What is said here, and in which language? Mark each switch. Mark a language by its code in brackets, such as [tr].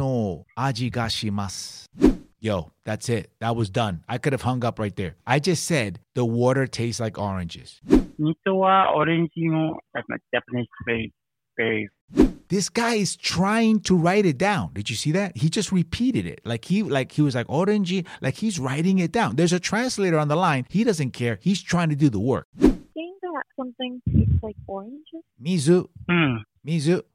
[ja] 水はオレンジの味がします。 [en] Yo, that's it. That was done. I could have hung up right there. I just said the water tastes like oranges. [ja] 水はオレンジの味がします。 [en] This guy is trying to write it down. Did you see that? He just repeated it. Like he was like, orange, like he's writing it down. There's a translator on the line. He doesn't care. He's trying to do the work. Saying that something tastes like oranges? [ja] Mizu. Hmm. Mizu.